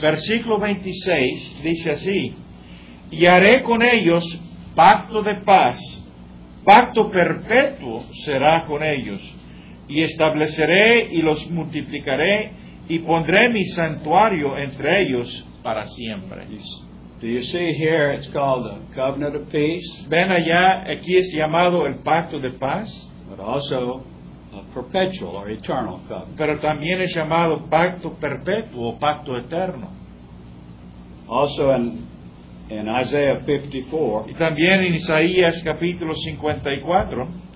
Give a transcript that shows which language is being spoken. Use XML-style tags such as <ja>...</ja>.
<es>Versículo 26 dice así: y haré con ellos pacto de paz, pacto perpetuo será con ellos, y estableceré y los multiplicaré, y pondré mi santuario entre ellos para siempre.</es> <en>Do you see here it's called the covenant of peace?</en> <es>Ven allá, aquí es llamado el pacto de paz,</es> <en>but also a perpetual or eternal covenant.</en> <es>Pero también es llamado pacto perpetuo, pacto eterno.</es> <en>Also in Isaiah 54.</en> <es>Y también en Isaías capítulo 54.</es>